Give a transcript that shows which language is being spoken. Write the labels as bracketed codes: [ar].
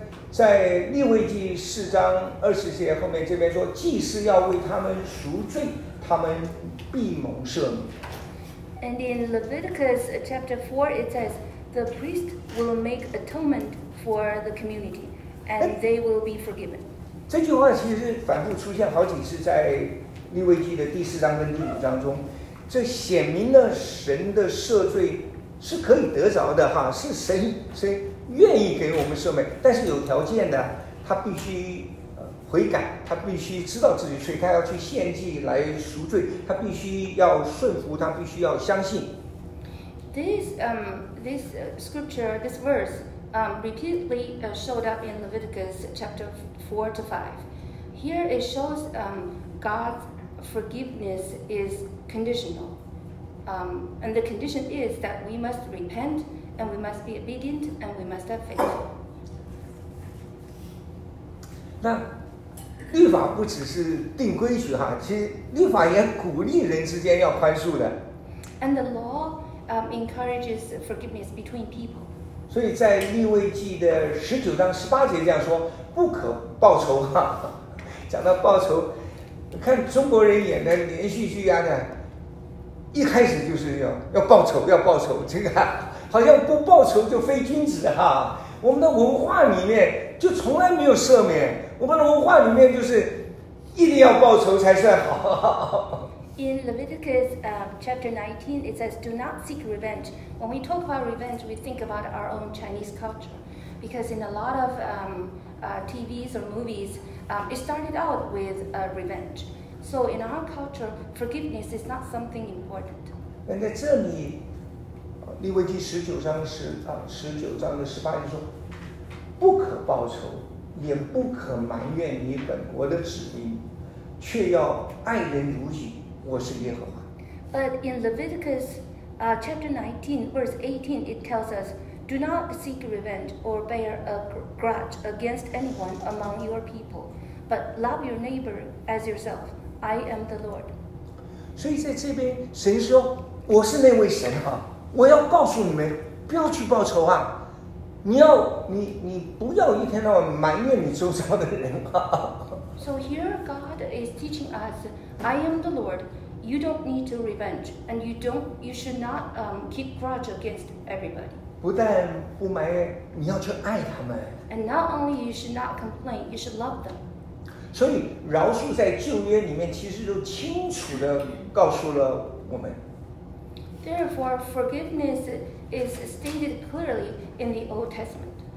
[zh] 在利未记四章二十节后面这边说，祭司要为他们赎罪。他们必蒙赦免。 [en] And in Leviticus chapter 4, it says, the priest will make atonement for the community, and they will be forgiven. [zh] 这句话其实反复出现好几次在利未记的第四章跟第五章中，这显明了神的赦罪是可以得着的哈，是神愿意给我们赦免，但是有条件的，他必须悔改，他必须知道自己罪，他要去献祭来赎罪，他必须要顺服，他必须要相信。 [en] This scripture, this verse, repeatedly showed up in Leviticus chapter 4-5. Here it shows God's forgiveness is conditional, and the condition is that we must repent, and we must be obedient, and we must have faith. [zh] 那律法不只是定规矩哈，其实律法也鼓励人之间要宽恕的。 [en] And the law encourages forgiveness between people. [zh] 所以在利未记的十九章十八节这样说，不可报仇哈。讲到报仇，看中国人演的连续剧啊的，一开始就是要报仇，要报仇，这个好像不报仇就非君子哈。我们的文化里面就从来没有赦免。我们的文化里面就是一定要报仇才算好。 [en] In Leviticus chapter 19, it says, "Do not seek revenge." When we talk about revenge, we think about our own Chinese culture, because in a lot of TVs or movies, it started out with revenge. So in our culture, forgiveness is not something important. [zh] 那在这里，利未记十九章的十八节说，不可报仇。也不可埋怨你本国的子民，却要爱人如己。我是耶和华。 [en] But in Leviticus, chapter 19, verse 18, it tells us, "Do not seek revenge or bear a grudge against anyone among your people, but love your neighbor as yourself. I am the Lord." [zh] 所以在这边，神说：“我是那位神哈，我要告诉你们，不要去报仇啊。” 你不要一天到晚埋怨你周遭的人啊。 [en] So here God is teaching us, I am the Lord. you don't need to revenge, and you should not keep grudge against everybody. [zh] 不但不埋怨，你要去爱他们。 [en] And not only you should not complain, you should love them. [zh] 所以饶恕在旧约里面其实就清楚地告诉了我们。 [en] Therefore, forgiveness is stated clearly in the Old Testament.